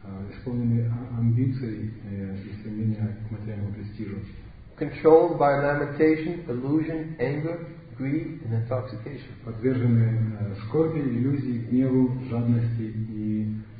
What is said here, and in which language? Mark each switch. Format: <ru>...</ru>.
<ru>Исполнены амбиций и стремления к материальному престижу.</ru> <en>Controlled by lamentation, illusion, anger, greed and intoxication.</en> <ru>Подвержены скорби, иллюзии, гневу, жадности и</ru>